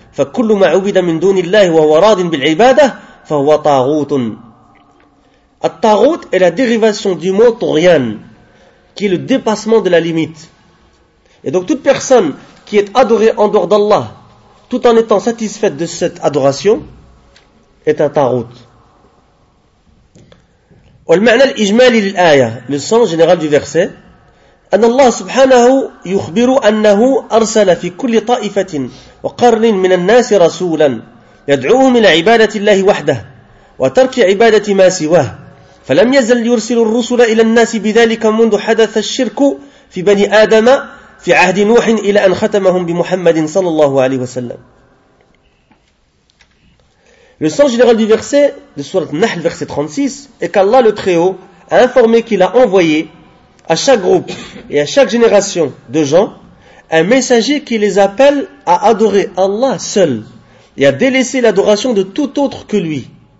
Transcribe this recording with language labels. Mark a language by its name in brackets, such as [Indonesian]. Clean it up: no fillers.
[Arabic] فكل ما عبد من دون الله وهو راض بالعبادة فهو طاغوت. [French] الطاغوت est la dérivation du mot طغيان, qui est le dépassement de la limite. Et donc toute personne qui est adorée en dehors d'Allah tout en étant satisfaite de cette adoration est un طاغوت. [Arabic] والمعنى الإجمالي للآية, [French] le sens général du verset, [Arabic] أن الله سبحانه يخبر أنه أرسل في كل طائفة وقرن من الناس رسولا يدعوهم إلى عبادة الله وحده وترك عبادة ما سواه فلم يزل يرسل الرسل إلى الناس بذلك منذ حدث الشرك في بني آدم في عهد نوح إلى أن ختمهم بمحمد صلى الله عليه وسلم. [French] Le sens général du verset de sourate Nahl, verset 36, est qu'Allah le Très-Haut a informé qu'il a envoyé à chaque groupe et à chaque génération de gens un messager qui les appelle à adorer Allah seul et à délaisser l'adoration de tout autre que lui.